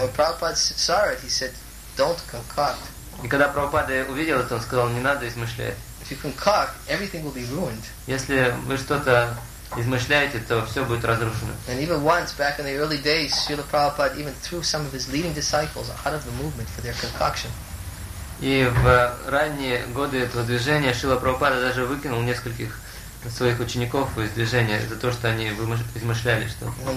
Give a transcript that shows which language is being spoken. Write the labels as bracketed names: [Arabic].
[English] When Prabhupada saw it, he said, "Don't concoct." [Russian] И когда Прабхупада увидел это, он сказал, не надо измышлять. [English] If you concoct, everything will be ruined. [Russian] Если вы что-то измышляете, то все будет разрушено. [English] And even once, back in the early days, Srila Prabhupada even threw some of his leading disciples out of the movement for their concoction. [Russian] И в ранние годы этого движения Шрила Прабхупада даже выкинул нескольких своих учеников из движения за то, что они измышляли что-то.